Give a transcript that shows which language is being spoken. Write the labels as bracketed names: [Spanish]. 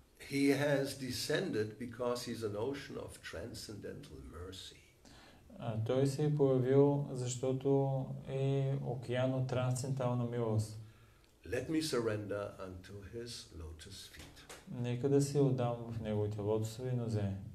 [English] He has descended because he's an ocean of transcendental mercy. [Bulgarian] Той се е появил, защото е океан от трансцендентална милост. [English] Let me surrender unto his lotus feet. [Bulgarian] Нека да се отдам в неговите лотосови нозе.